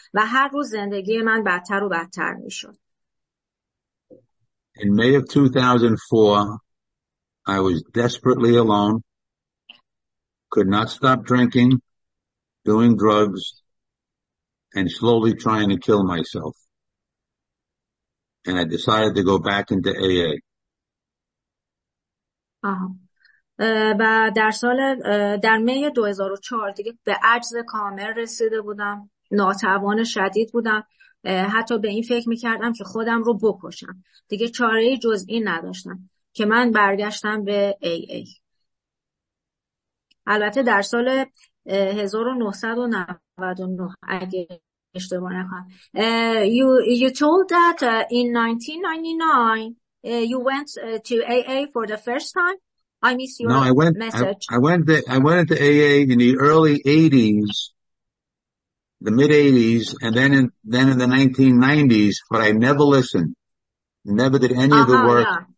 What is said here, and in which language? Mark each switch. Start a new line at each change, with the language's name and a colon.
Persian: و هر روز زندگی من بدتر و بدتر میشد.
English: In May of 2004, I was desperately alone, could not stop drinking, doing drugs, and slowly trying to kill myself. And I decided to go back into AA.
Persian: و در می 2004 دیگه به عجز کامل رسیده بودم، ناتوان شدید بودم. حتی به این فکر میکردم که خودم رو بکشم. دیگه چاره ای جز این نداشتم که من برگشتم به AA. البته در سال 1999 اگه اشتباه نکنم.
English: You told that in 1999 you went to AA for the first time. I miss your no, I went, message. I went into AA in the early 80s, the mid 80s, and then in the 1990s, but I never listened, never did any of the work.